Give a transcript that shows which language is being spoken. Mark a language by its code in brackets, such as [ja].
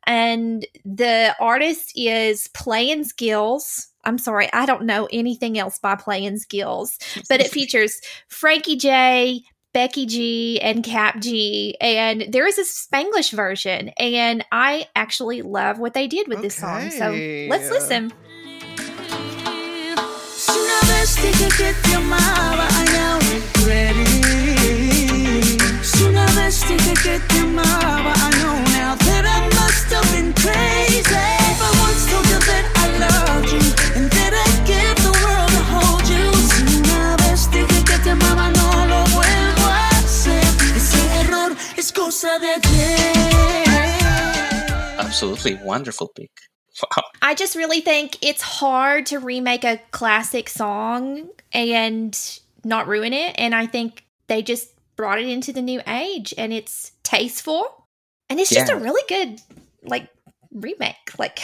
[en] And the artist is Playin' Skillz. I'm sorry, I don't know anything else by Playin' Skillz. But it features Frankie J., Becky G., and Cap G. And there is a Spanglish version. And I actually love what they did with this song. So let's listen. [es] Dije que te amaba, ay, ahora creí. Si una vez dije que te amaba, [en] I know now that I must have been crazy. If I once told you that I loved you and that I'd give the world to hold you. [es] Si una vez dije que te amaba, no lo vuelvo a hacer. Ese error es cosa de ayer. [en] Absolutely wonderful pick. I just really think it's hard to remake a classic song and not ruin it. And I think they just brought it into the new age and it's tasteful. And it's just a really good like remake. Like